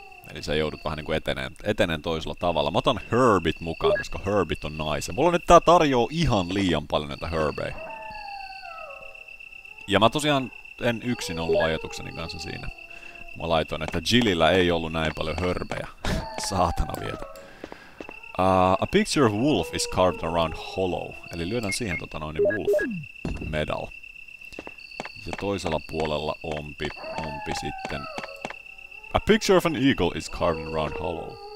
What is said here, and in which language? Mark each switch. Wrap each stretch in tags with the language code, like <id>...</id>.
<fi>Eli sä joudut vähän niin kuin eteneen toisella tavalla. Mä otan Herbit mukaan, koska Herbit on nice. Mulla nyt tää tarjoaa ihan liian paljon näitä Herbeja. Ja mä tosiaan en yksin ollut ajatukseni kanssa siinä. Mä laitoin, että Jillillä ei ollut näin paljon hörpejä. Saatana vielä.</fi> <en>A picture of wolf is carved around hollow.</en> <fi>Eli lyödään siihen tota noin</fi> <en>wolf medal.</en> <fi>Ja toisella puolella ompi sitten.</fi> <en>A picture of an eagle is carved around hollow.</en>